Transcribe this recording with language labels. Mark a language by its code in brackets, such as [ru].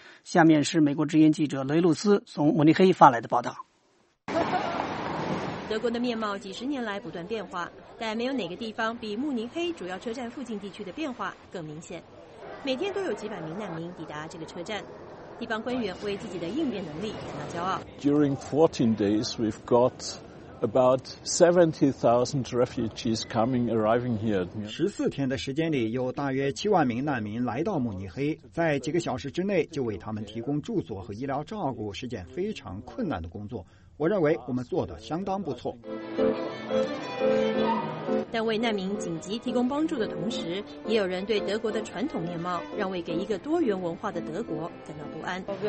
[zh] 下面是美国之音记者雷露斯从慕尼黑发来的报道。德国的面貌几十年来不断变化，但没有哪个地方比慕尼黑主要车站附近地区的变化更明显。每天都有几百名难民抵达这个车站，地方官员为自己的应变能力感到骄傲。 [en] During 14 days we've got about 70,000 refugees arriving here. [zh] 14天的时间里有大约7万名难民来到慕尼黑，在几个小时之内就为他们提供住所和医疗照顾是件非常困难的工作，我认为我们做得相当不错。但为难民紧急提供帮助的同时，也有人对德国的传统面貌让位给一个多元文化的德国感到不安。